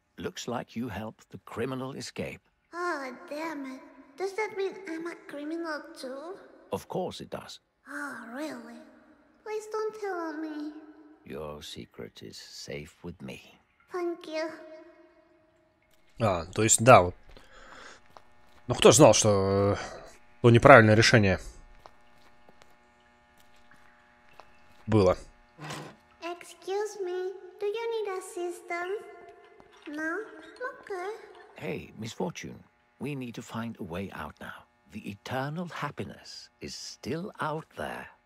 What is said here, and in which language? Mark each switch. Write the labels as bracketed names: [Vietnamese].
[English] Looks like you helped the criminal escape. Oh, damn it. Does that mean I'm a criminal too? Of course it does. Oh, really? Please don't tell me. Your secret is safe with me. Thank you. [Russian] А, то есть, да, вот. Ну, кто ж знал, что то неправильное решение было. [English] Excuse me, do you need assistance? No? Okay. Hey, Miss Fortune, we need to find a way out now. The eternal happiness is still out there.